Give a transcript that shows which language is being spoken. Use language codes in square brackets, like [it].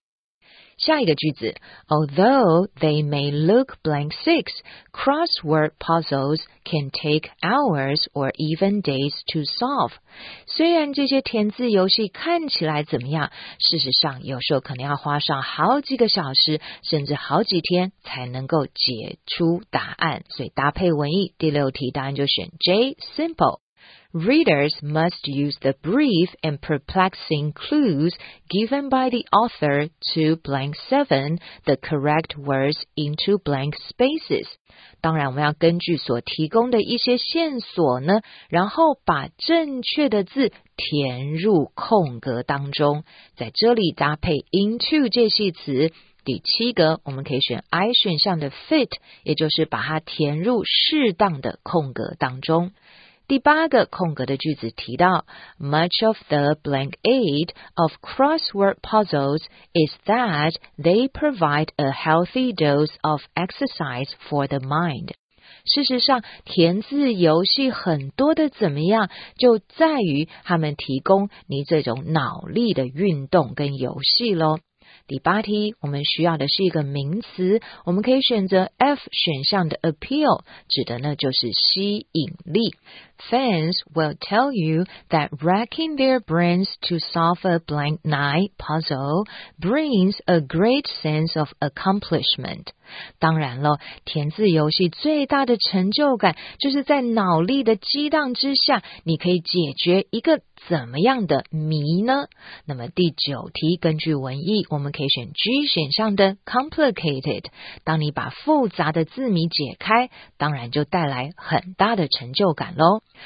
[zh] 下一个句子， [en] Although they may look blank six, crossword puzzles can take hours or even days to solve. [zh] 虽然这些填字游戏看起来怎么样，事实上有时候可能要花上好几个小时，甚至好几天才能够解出答案。所以搭配文意，第六题答案就选 J, simple. [en] Readers must use the brief and perplexing clues given by the author to blank seven, the correct words into blank spaces. [zh] 当然我们要根据所提供的一些线索呢，然后把正确的字填入空格当中。在这里搭配 into 介系词，第七个我们可以选 I 选项的 fit， 也就是把它填入适当的空格当中。第八个空格的句子提到 [en] Much of the blank aid of crossword puzzles is that they provide a healthy dose of exercise for the mind. [zh] 事实上填字游戏很多的怎么样，就在于他们提供你这种脑力的运动跟游戏咯。第八题我们需要的是一个名词，我们可以选择 F 选项的 appeal， 指的呢就是吸引力。 [en] Fans will tell you that racking their brains to solve a blank nine puzzle brings a great sense of accomplishment。 [zh] 当然了，填字游戏最大的成就感就是在脑力的激荡之下，你可以解决一个怎么样的谜呢？那么第九题根据文意，我们可以选 G 选项的 complicated， 当你把复杂的字谜解开，当然就带来很大的成就感咯。